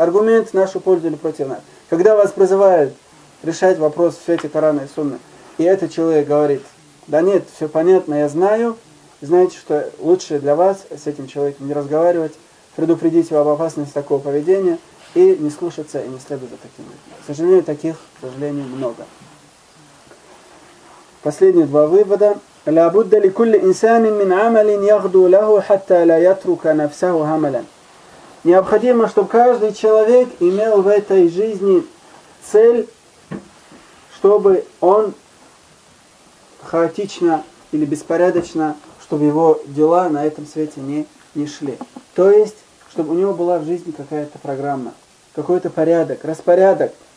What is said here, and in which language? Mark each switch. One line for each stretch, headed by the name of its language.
Russian: Аргумент в нашу пользу или против нас. Когда вас призывают решать вопрос в свете Корана и Сунны, и этот человек говорит, да нет, все понятно, я знаю, знаете, что лучше для вас с этим человеком не разговаривать, предупредить его об опасности такого поведения и не слушаться, и не следовать за таким. К сожалению, таких, к сожалению, много. Последние два вывода.
Arabic: لابد لكل إنسان من عمل يغدو له حتى لا يترك نفسه هملا.
Russian: Необходимо, чтобы каждый человек имел в этой жизни цель, чтобы он хаотично или беспорядочно, чтобы его дела на этом свете не шли. То есть, чтобы у него была в жизни какая-то программа, какой-то порядок, распорядок.